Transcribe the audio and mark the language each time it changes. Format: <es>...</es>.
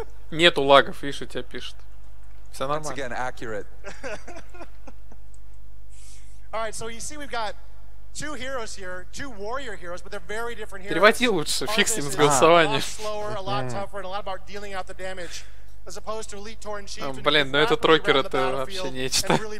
<ru>Нету лагов, видишь, у тебя пишет. Все нормально.</ru> <en>Alright, so you see we've got two heroes here, two warrior heroes, but they're very different heroes.</en> <ru>Переводи лучше, фиксим с голосованием. Блин, ну это Трокер, это вообще нечто.</ru>